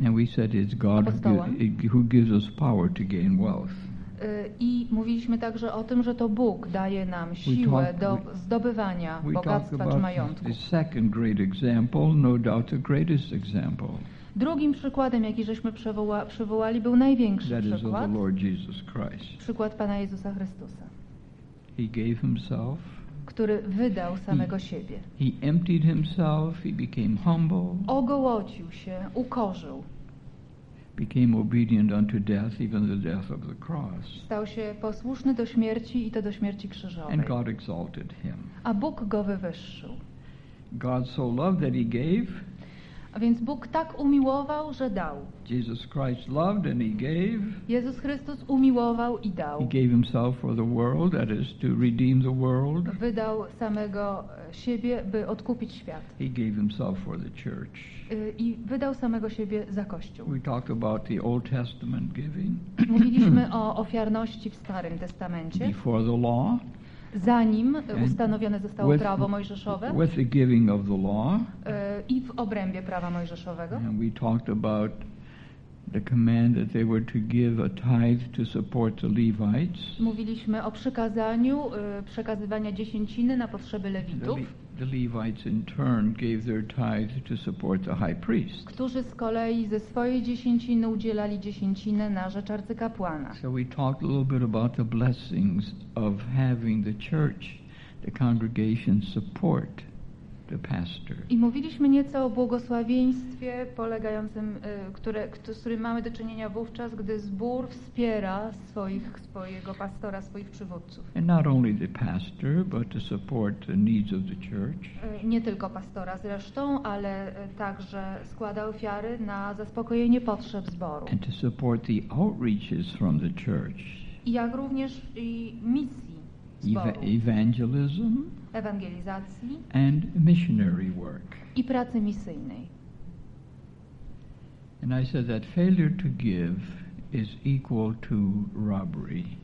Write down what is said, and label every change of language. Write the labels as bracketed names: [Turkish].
[English] And we said it's God who gives us power to gain wealth. [Polish] I mówiliśmy także o tym, że to Bóg daje nam siłę do zdobywania bogactwa czy majątku. [English] The second great example, no doubt the greatest example. [Polish] Drugim przykładem, jaki żeśmy przywołali, był największy [English] that [Polish] przykład. [English] Is of the Lord Jesus Christ. [Polish] Przykład Pana Jezusa Chrystusa. [English] He gave himself. [Polish] Który wydał samego siebie. [English] He emptied himself, he became humble. [Polish] Ogołocił się, ukorzył. [English] Became obedient unto death, even the death of the cross. [Polish] Stał się posłuszny do śmierci i to do śmierci krzyżowej. [English] And God exalted him. [Polish] A Bóg go wywyższył. [English] God so loved that he gave. [Polish] A więc Bóg tak umiłował, że dał. [English] Jesus Christ loved and he gave. [Polish] Jezus Chrystus umiłował i dał. [English] He gave himself for the world, that is to redeem the world. [Polish] Wydał samego siebie, by odkupić świat. [English] He gave himself for the church. [Polish] I wydał samego siebie za Kościół. [English] We talked about the Old Testament giving. [Polish] Mówiliśmy o ofiarności w Starym Testamencie. [English] Before the law. [Polish] Zanim ustanowione zostało [English] with, [Polish] prawo mojżeszowe [English] with the giving of the law, [Polish] i w obrębie prawa mojżeszowego. [English] And we talked about the command that they were to give a tithe to support the Levites. [Polish] Mówiliśmy o przykazaniu przekazywania dziesięciny na potrzeby Lewitów. [English] The Levites in turn gave their tithe to support the high priest. [Polish] Którzy z kolei ze swojej dziesięciny udzielali dziesięciny na rzecz arcykapłana. [English] So we talked a little bit about the blessings of having the church, the congregation support the pastor. [Polish] I mówiliśmy nieco o błogosławieństwie polegającym, z którym mamy do czynienia wówczas, gdy zbór wspiera swojego pastora, swoich przywódców. [English] And not only the pastor, but to support the needs of the church. [Polish] Nie tylko pastora zresztą, ale także składa ofiary na zaspokojenie potrzeb zboru. [English] And to support the outreaches from the church. [Polish] Jak również i misji zboru. [English] Evangelism. [Polish] Ewangelizacji [English] and missionary work. [Polish] I pracy misyjnej. [English] And I said that failure to give is equal to robbery.